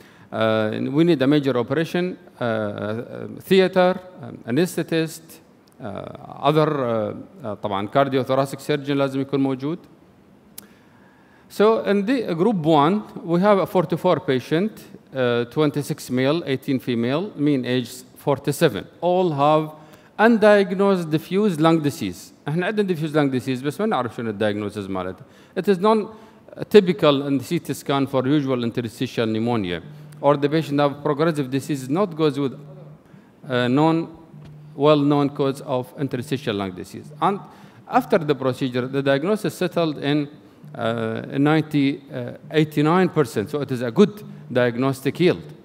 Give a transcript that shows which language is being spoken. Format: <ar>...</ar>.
<en>We need a major operation, theater, anesthetist, other طبعاً cardiothoracic surgeon</en> <ar>لازم يكون موجود.</ar> <en>So in the group one, we have a 44 patient, 26 male, 18 female, mean age 47. All have undiagnosed diffuse lung disease.</en> <ar>احنا عندنا</ar> <en>diffuse lung disease</en> <ar>بس ما نعرف شنو الدياجنوزز مالتها.</ar> <en>It is non-typical in the CT scan for usual interstitial pneumonia. Or the patient have progressive disease not goes with known, well-known cause of interstitial lung disease. And after the procedure, the diagnosis settled in 89%, so it is a good diagnostic yield.</en>